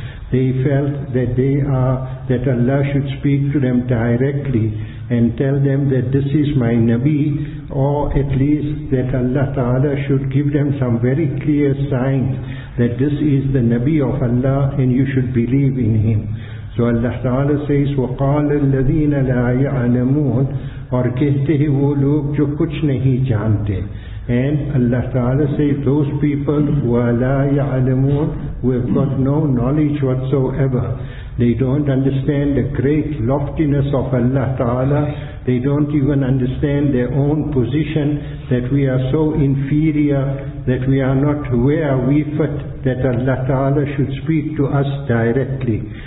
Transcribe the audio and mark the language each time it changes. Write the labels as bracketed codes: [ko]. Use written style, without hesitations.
[en] They felt that they are, that Allah should speak to them directly, and tell them that this is my Nabi, or at least that Allah Ta'ala should give them some very clear signs that this is the Nabi of Allah and you should believe in him. So Allah Ta'ala says, [ar] وَقَالَ الَّذِينَ لَا يَعْلَمُونَ [ur] اور کہتے ہیں وہ لوگ جو کچھ نہیں جانتے. [en] And Allah Ta'ala says, those people who are [ar] لا يعلمون, [en] who have got no knowledge whatsoever. They don't understand the great loftiness of Allah Ta'ala. They don't even understand their own position, that we are so inferior, that we are not where we fit, that Allah Ta'ala should speak to us directly.